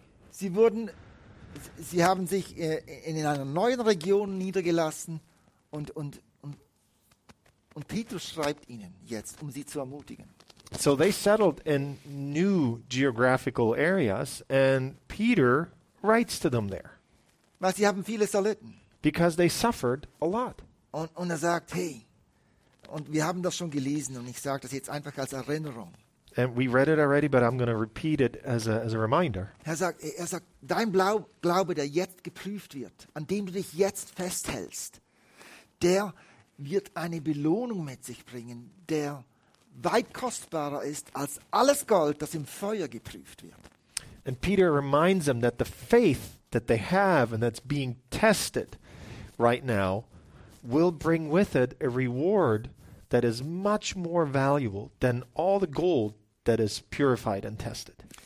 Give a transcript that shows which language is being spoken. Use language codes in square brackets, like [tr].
[de] sie haben sich in einer neuen Region niedergelassen und Peter schreibt ihnen jetzt, um sie zu ermutigen. [en] So they settled in new geographical areas and Peter writes to them there. [de] Weil sie haben vieles erlitten. [en] Because they suffered a lot. [de] Und er sagt, hey, und wir haben das schon gelesen und ich sage das jetzt einfach als Erinnerung. [en] And we read it already, but I'm going to repeat it as a reminder. [de] Er sagt, dein Glaube, der jetzt geprüft wird, an dem du dich jetzt festhältst, der wird eine Belohnung mit sich bringen, der weit kostbarer ist als alles Gold, das im Feuer geprüft wird. [en] And Peter reminds them that the faith that they have and that's being tested right now will bring with it a reward that is much more valuable than all the gold that is purified and tested.